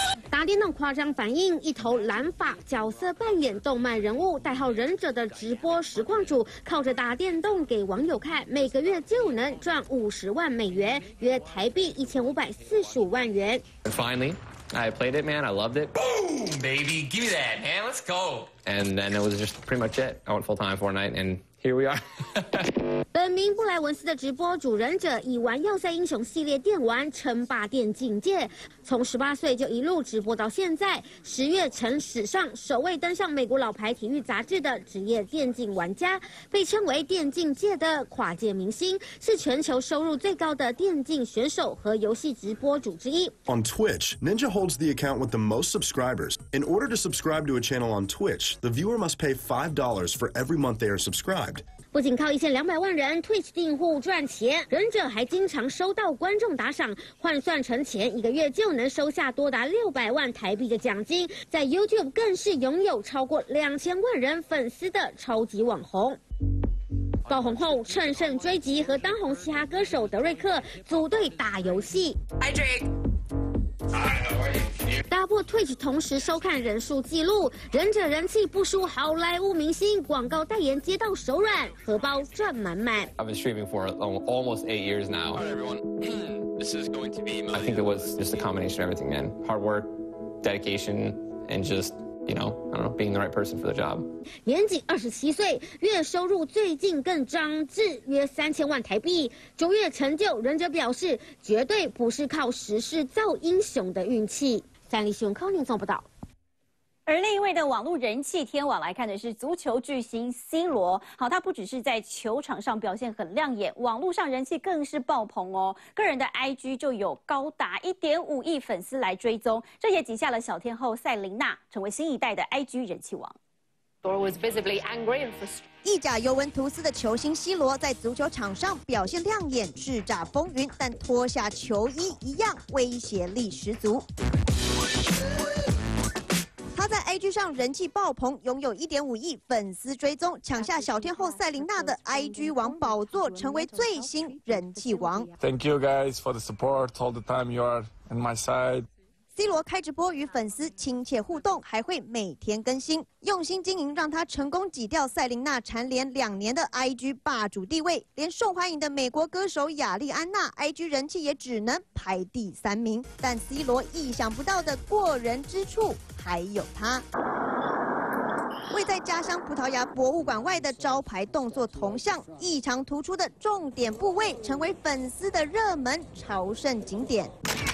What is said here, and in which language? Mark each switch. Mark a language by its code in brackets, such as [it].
[zh] 打电动夸张反应，一头蓝发角色扮演动漫人物代号忍者的直播实况主，靠着打电动给网友看，每个月就能赚50万美元，约台币1545万元。 [en] Finally, I played it, man. I loved it. Boom, baby, give me that, man. Let's go. And then it was just pretty much it. I went full time Fortnite and. Here we are. [zh] 本名布莱文斯的直播主忍者以玩要塞英雄系列电玩称霸电竞界，从18岁就一路直播到现在，10月成史上首位登上美国老牌体育杂志的职业电竞玩家，被称为电竞界的跨界明星，是全球收入最高的电竞选手和游戏直播主之一。 [en] On Twitch, Ninja holds the account with the most subscribers. In order to subscribe to a channel on Twitch, the viewer must pay $5 for every month they are subscribed. [zh] 不仅靠1200万人 Twitch 订户赚钱，忍者还经常收到观众打赏，换算成钱一个月就能收下多达600万台币的奖金，在 YouTube 更是拥有超过2000万人粉丝的超级网红。爆红后乘胜追击，和当红嘻哈歌手德瑞克组队打游戏。 [en] Hi Drake. [zh] 打破 Twitch 同时收看人数记录，忍者人气不输好莱坞明星，广告代言接到手软，荷包赚满满。 [en] I've been streaming for almost 8 years now. This is going to be. I think it was just a combination of everything, man. Hard work, dedication, and just. Being the right person for the job. [zh] 年仅27岁，月收入最近更涨至约3000万台币。卓越成就，忍者表示绝对不是靠时势造英雄的运气。三立新闻 Colin 报道。而另一位的网络人气天王来看的是足球巨星 C 罗。好，他不只是在球场上表现很亮眼，网络上人气更是爆棚哦。个人的 IG 就有高达 1.5 亿粉丝来追踪，这也挤下了小天后赛琳娜，成为新一代的 IG 人气王。意甲尤文图斯的球星 C 罗在足球场上表现亮眼，叱咤风云，但脱下球衣一样威胁力十足。他在 IG 上人气爆棚，拥有 1.5 亿粉丝追踪，抢下小天后赛琳娜的 IG 王宝座，成为最新人气王。 [en] Thank you guys for the support, all the time you are on my side. [zh] C 罗开直播与粉丝亲切互动，还会每天更新，用心经营让他成功挤掉赛琳娜蝉联两年的 IG 霸主地位，连受欢迎的美国歌手亚历安娜 IG 人气也只能排第三名。但 C 罗意想不到的过人之处还有他，位在家乡葡萄牙博物馆外的招牌动作铜像，异常突出的重点部位成为粉丝的热门朝圣景点。